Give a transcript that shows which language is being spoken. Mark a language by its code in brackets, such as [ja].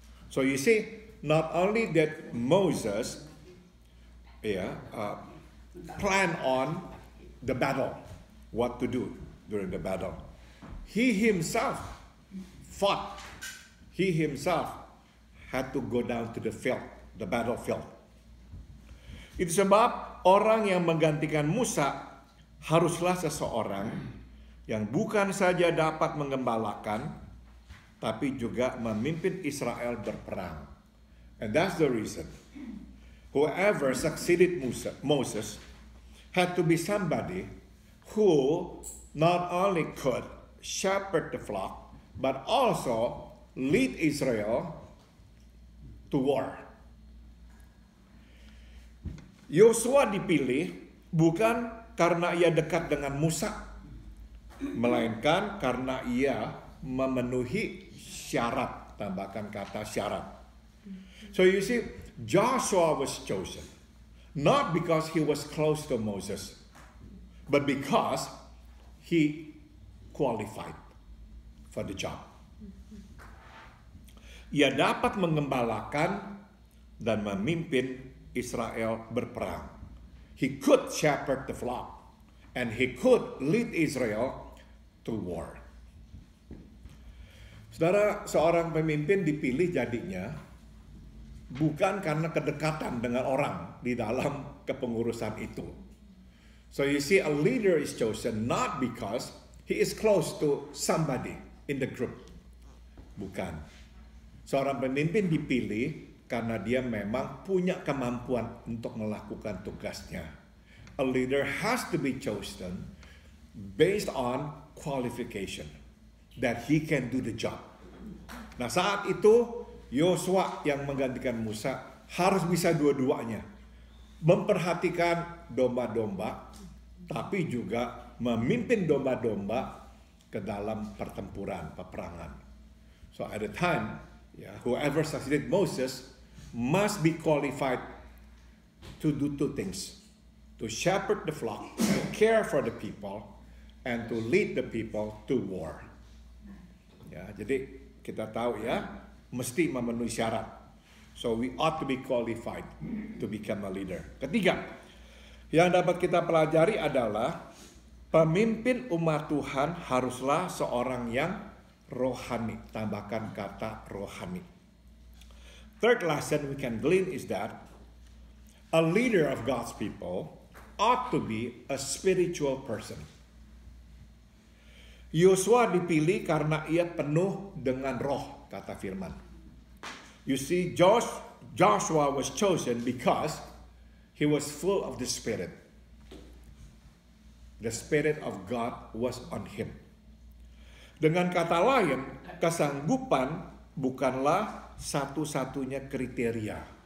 [en] So you see, not only that Moses plan on the battle, what to do during the battle, he himself fought. He himself had to go down to the field, the battlefield. [id] Itu sebab orang yang menggantikan Musa haruslah seseorang yang bukan saja dapat menggembalakan, tapi juga memimpin Israel berperang. [en] And that's the reason. Whoever succeeded Moses had to be somebody who not only could shepherd the flock, but also lead Israel to war. [id] Yosua dipilih bukan karena ia dekat dengan Musa, melainkan karena ia memenuhi syarat, tambahkan kata syarat. [en] So you see, Joshua was chosen not because he was close to Moses, but because he qualified for the job. [id] Ia dapat menggembalakan dan memimpin Israel berperang. [en] He could shepherd the flock and he could lead Israel to war. [id] Saudara, seorang pemimpin dipilih jadinya bukan karena kedekatan dengan orang di dalam kepengurusan itu. [en] So you see, a leader is chosen not because he is close to somebody in the group. [id] Bukan. Seorang pemimpin dipilih karena dia memang punya kemampuan untuk melakukan tugasnya. [en] A leader has to be chosen based on qualification, that he can do the job. [id] Nah, saat itu Yosua yang menggantikan Musa harus bisa dua-duanya. Memperhatikan domba-domba, tapi juga memimpin domba-domba ke dalam pertempuran, peperangan. [en] So at the time, whoever succeeded Moses must be qualified to do two things: to shepherd the flock, to care for the people, and to lead the people to war. [id] Jadi kita tahu ya, mesti memenuhi syarat. [en] So we ought to be qualified to become a leader. [id] Ketiga, yang dapat kita pelajari adalah pemimpin umat Tuhan haruslah seorang yang rohani. Tambahkan kata rohani. [en] Third lesson we can glean is that a leader of God's people ought to be a spiritual person. [id] Yosua dipilih karena ia penuh dengan roh, kata firman. [en] You see, Joshua was chosen because he was full of the Spirit. The Spirit of God was on him. [id] Dengan kata lain, kesanggupan bukanlah satu-satunya kriteria.